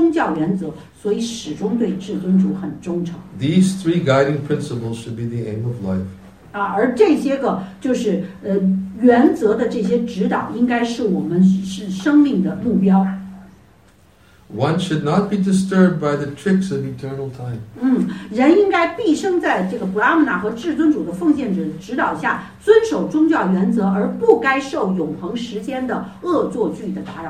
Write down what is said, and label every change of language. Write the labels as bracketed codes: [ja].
[zh] 但虔诚的人因为在真正的Brahmana和至尊主的奉献者的指导下遵守宗教原则，所以始终对至尊主很忠诚。 [en] These three guiding principles should be the aim of life. [zh] 而这些个就是原则的这些指导应该是我们生命的目标。 [en] One should not be disturbed by the tricks of eternal time. [zh] 人应该毕生在这个Brahmana和至尊主的奉献者指导下遵守宗教原则而不该受永恒时间的恶作剧的打扰。